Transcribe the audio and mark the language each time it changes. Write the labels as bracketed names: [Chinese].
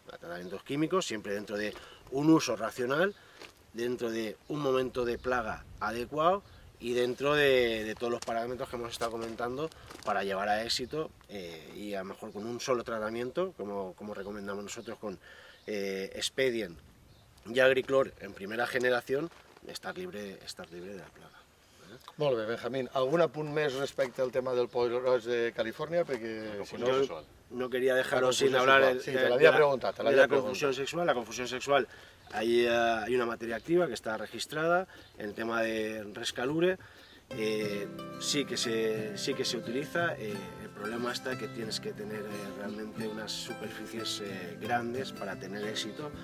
[Spanish] A tratamientos químicos, siempre dentro de un uso racional, dentro de un momento de plaga adecuado y dentro de todos los parámetros que hemos estado comentando para llevar a éxito y a lo mejor con un solo tratamiento, como recomendamos nosotros con Expedien y Agriclor en primera generación, estar libre de la plaga. [Catalan] Molt bé, Benjamín. ¿Algun apunt més respecte al tema del poderós de Califòrnia? Perquè [Spanish] no quería dejaros sin hablar de la confusión sexual. La confusión sexual, hay una materia activa que está registrada en el tema de Rescalure. Sí que se utiliza. El problema está que tienes que tener realmente unas superficies grandes para tener éxito.